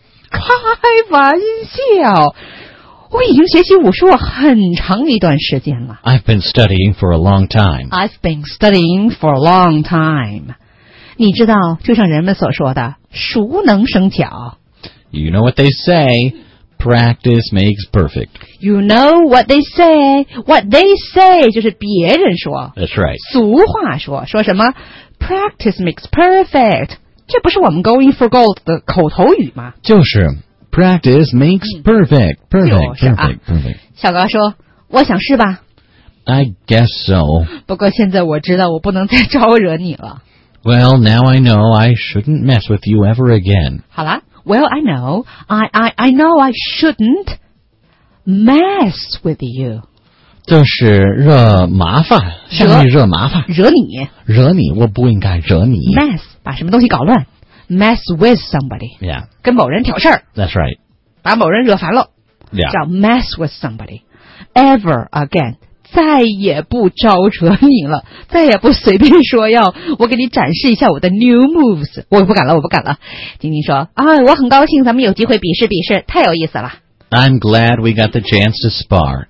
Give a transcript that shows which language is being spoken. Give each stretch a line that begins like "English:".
Chinese: 开玩笑，我已经学习武术很长一段时间了。
English: I've been studying for a long time. I've been studying for a long time.
Chinese: 你知道，就像人们所说的，熟能生巧。
English: You know what they say, practice makes perfect. You know what they say,
Chinese: 就是别人说。
English: That's right.
Chinese: 俗话说什么
English: practice makes perfect,
Chinese: 这不是我们
English: going for gold
Chinese: 的口头语吗？就是
English: practice makes perfect, perfect, perfect, perfect.
Chinese: 小高说，我想试吧。
English: I guess so.
Chinese: 不过现在我知道，我不能再招惹你了。
English: Well, now I know I shouldn't mess with you ever again.
Chinese: 好啦
English: Well, I know. I know I shouldn't mess with you.
Chinese: 就是惹麻烦，向你惹麻烦。惹你，我不应该惹你。
English: Mess,
Chinese: 把什么东西搞乱。
English: Mess with somebody. Yeah.
Chinese: 跟某人挑事儿。
English: That's right.
Chinese: 把某人惹烦了。
English: Yeah.
Chinese: 叫
English: mess with somebody. Ever again.
Chinese: 再也不招惹你了，再也不随便说要我给你展示一下我的
English: new moves。
Chinese: 我不敢了。晶晶说：“哎，我很高兴咱们有机会比试，太有意思了。”
English: I'm glad we got the chance to spar.